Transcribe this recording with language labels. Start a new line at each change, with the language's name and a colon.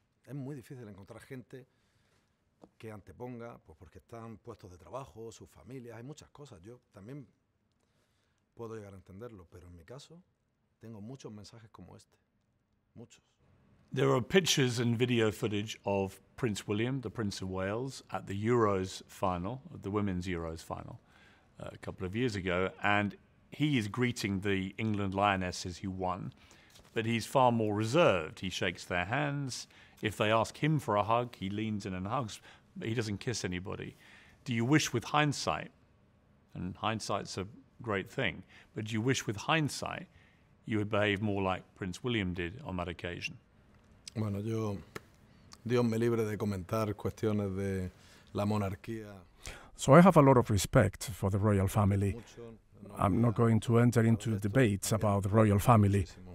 Spanish: Es muy difícil encontrar gente que anteponga, pues porque están puestos de trabajo, sus familias, hay muchas cosas. Yo también puedo llegar a entenderlo, pero en mi caso tengo muchos mensajes como este, muchos.
English: There are pictures and video footage of Prince William, the Prince of Wales, at the Euros final, the women's Euros final, a couple of years ago, and he is greeting the England Lionesses who won, but he's far more reserved. He shakes their hands. If they ask him for a hug, he leans in and hugs, but he doesn't kiss anybody. Do you wish with hindsight, and hindsight's a great thing, but do you wish with hindsight you would behave more like Prince William did on that occasion?
Spanish: Bueno, yo, Dios me libre de comentar cuestiones de la monarquía.
English: So I have a lot of respect for the royal family. I'm not going to enter into debates about the royal family.